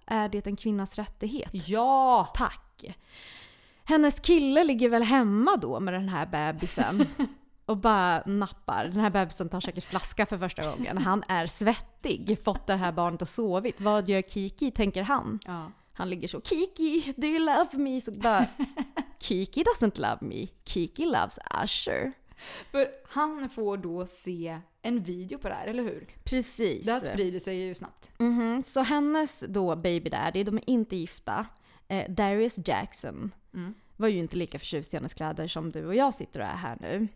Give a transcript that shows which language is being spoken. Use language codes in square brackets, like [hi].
[sv] Är det en kvinnas rättighet? Ja! Tack! Hennes kille ligger väl hemma då med den här bebisen och bara nappar. Den här bebisen tar säkert flaska för första gången. Han är svettig, fått det här barnet och sovit. Vad gör Kiki, tänker han? Ja. Han ligger så, [en] Kiki, do you love me? [sv] Så bara, [en] Kiki doesn't love me. Kiki loves Usher. [sv] För han får då se en video på det här, eller hur? Precis. Det sprider sig ju snabbt. Mm-hmm. Så hennes då baby daddy, de är inte gifta. Darius Jackson var ju inte lika förtjust i hennes kläder som du och jag sitter och är här nu.